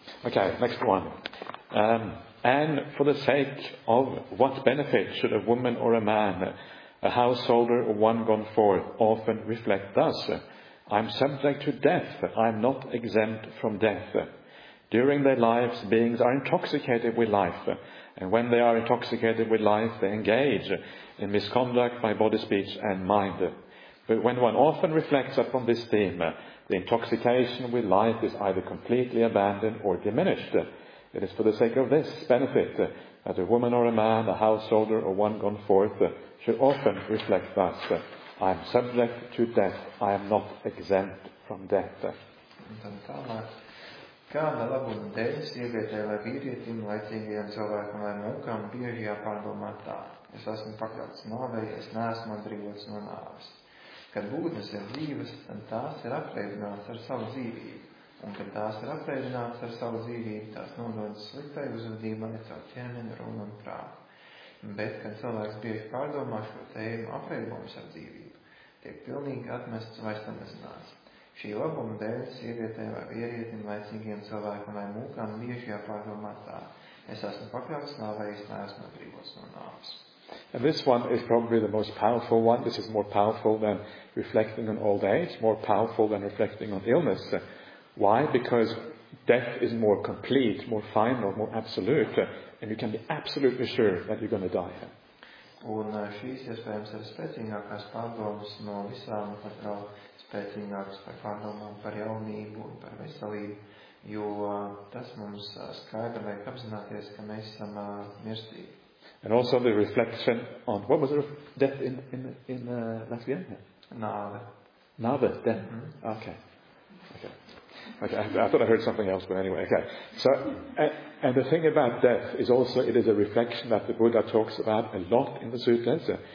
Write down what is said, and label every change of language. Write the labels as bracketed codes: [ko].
[en] Okay, next one. And for the sake of what benefit should a woman or a man, a householder or one gone forth, often reflect thus, I'm subject to death, I'm not exempt from death. During their lives, beings are intoxicated with life, and when they are intoxicated with life, they engage in misconduct by body, speech and mind. But when one often reflects upon this theme, the intoxication with life is either completely abandoned or diminished. It is for the sake of this benefit that a woman or a man, a householder or one gone forth, should often reflect thus, I am subject to death, I am not exempt from death. [lv] Kāda labuma dēļ sievietē vai vīrietim, laicīgajam cilvēkam vai mūkam bieži jāpārdomā tā. Es esmu pakļauts nāvei, es neesmu atbrīvots no nāves. Kad būtnes ir dzīves, tad tās ir apreibinātas ar savu dzīvību. Un kad tās ir apreibinātas ar savu dzīvību, tās nododas sliktai uzvedībai caur ķermeni, runu un prātu. Bet, kad cilvēks bieži pārdomā šo tēmu apreibumus ar dzīvību, tiek pilnīgi atmests vai samazināts. Šī labuma dēļ sievietē vai vīrietim laicīgiem cilvēkam vai mūkam bieži jāpārdomā tā. Es esmu pakļauts nāvei, es neesmu atbrīvots no nāves. [en] And this one is probably the most powerful one. This is more powerful than reflecting on old age, more powerful than reflecting on illness. Why? Because death is more complete, more final, more absolute, and you can be absolutely sure that you're going to die. [lv] Un šīs iespējams ir spēcīgākās pārdomas no visām, pat vēl spēcīgākas par pārdomām par jaunību un par veselību, jo tas mums skaidri liek apzināties, ka mēs esam mirstīgi. [en] And also the reflection on what was the death in Latvia? [lv] Nāve. [en] Nāve, death. Mm-hmm. Okay. I thought I heard something else, but anyway, okay. So, and the thing about death is also it is a reflection that the Buddha talks about a lot in the suttas.